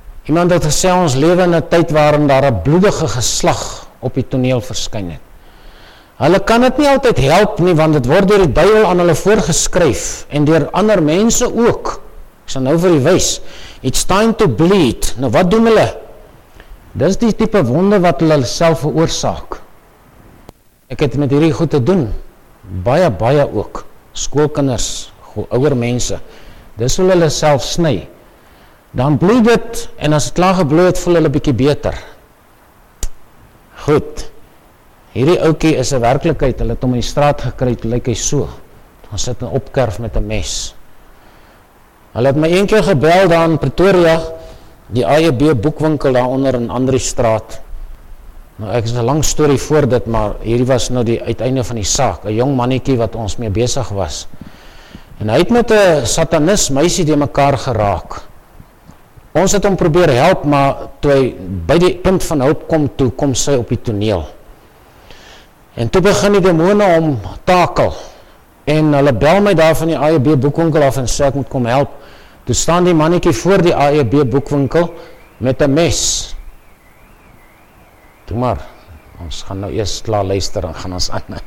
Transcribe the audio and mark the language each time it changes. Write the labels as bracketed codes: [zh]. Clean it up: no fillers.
[af] Iemand het gesê, ons lewe in 'n tyd waarin daar 'n bloedige geslag op die toneel verskyn het. Hulle kan het nie altyd help nie, want het word door die duivel aan hulle voorgeskryf, en door ander mense ook. Ek sal nou vir die wys, [en] it's time to bleed. [af] Nou wat doen hulle? Dis die type wonde wat hulle self veroorsaak. Ek het met hierdie goed te doen, baie, baie ook, skoolkinders, ouer mense, dis hoe hulle self sny. Dan bloed het, en as het klaar gebloed het, voel hulle bykie beter. Goed, hierdie oukie is 'n werklikheid, hulle het om in die straat gekry, het lyk hy so, dan sit hy opkerf met 'n mes. Hulle het my een keer gebel daar in Pretoria, die AEB boekwinkel daaronder in Andrie straat. Nou ek is een lang story voor dit, maar hierdie was nou die uiteinde van die saak, een jong manniekie wat ons mee besig was. En hy het met 'n satanis meisie die mekaar geraak. Ons het hom probeer help, maar toe hy by die punt van hulp kom, toe kom sy op die toneel. En toe begin die demone om takel. En hulle bel my daar van die AEB boekwinkel af en sê ek moet kom help. Toe staan die mannetjie voor die AEB boekwinkel met 'n mes. Toe maar, ons gaan nou eers klaar luister en gaan ons aan.